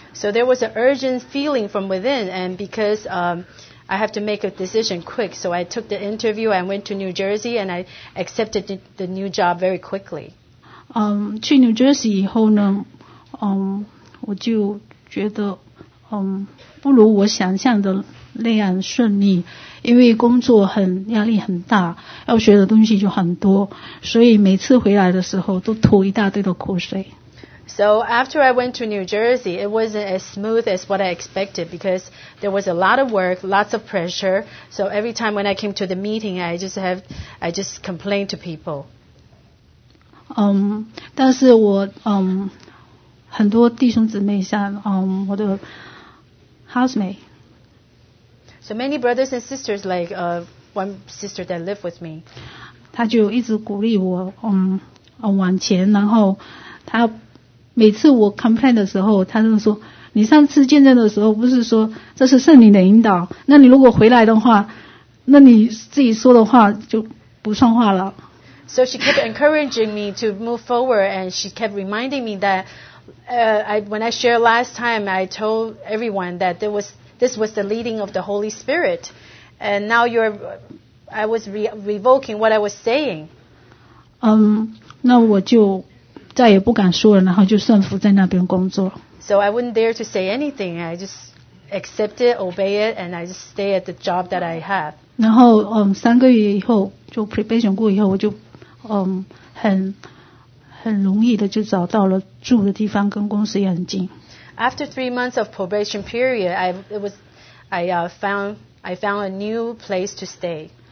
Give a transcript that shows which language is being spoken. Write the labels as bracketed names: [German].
[English] So there was an urgent feeling from within, and because I have to make a decision quick. So I took the interview, I went to New Jersey, and I accepted the new job very quickly. [Chinese] 去 New Jersey 以后呢，我就觉得，不如我想象的那样顺利，因为工作很压力很大，要学的东西就很多，所以每次回来的时候都吐一大堆的苦水。 [English] So after I went to New Jersey, it wasn't as smooth as what I expected because there was a lot of work, lots of pressure. So every time when I came to the meeting, I just complained to people. [Chinese] 但是我很多弟兄姊妹像我的 housemate. [English] So many brothers and sisters, like one sister that lived with me. [Chinese] 他就一直鼓励我往前，然后他每次我 complain 的时候，他就说：“你上次见证的时候不是说这是圣灵的引导？那你如果回来的话，那你自己说的话就不算话了。” [English] So she kept encouraging me to move forward, and she kept reminding me that when I shared last time, I told everyone that this was the leading of the Holy Spirit, and now I was revoking what I was saying. [Chinese] 那我就再也不敢说了，然后就顺服在那边工作。 [English] So I wouldn't dare to say anything. I just accept it, obey it, and I just stay at the job that I have. [Chinese] 然后三个月以后就 probation 过以后我就很容易的就找到了住的地方跟公司也很近。 [English] After 3 months of probation period, I found a new place to stay.